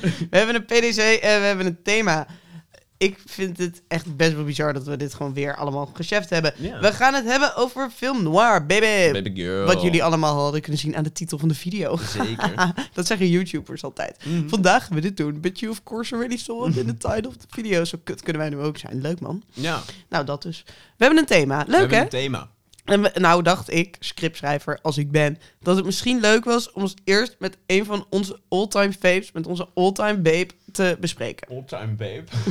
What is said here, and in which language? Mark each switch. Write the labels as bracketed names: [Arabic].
[Dutch] We hebben een PDC en we hebben een thema. Ik vind het echt best wel bizar dat we dit gewoon weer allemaal gecheft hebben. Yeah. We gaan het hebben over film noir, baby. [English] Baby girl. [Dutch] Wat jullie allemaal hadden kunnen zien aan de titel van de video. Zeker. Dat zeggen YouTubers altijd. Mm-hmm. Vandaag gaan we dit doen. [English] But you of course already saw it in the title of the video. [Dutch] Zo kut kunnen wij nu ook zijn. Leuk, man. Ja. Nou, dat dus. We hebben een thema. Leuk, hè? We hebben een thema. En nou dacht ik, scriptschrijver als ik ben, dat het misschien leuk was om ons eerst met een van onze all-time faves, met onze all-time babe, te bespreken. [English] All-time babe?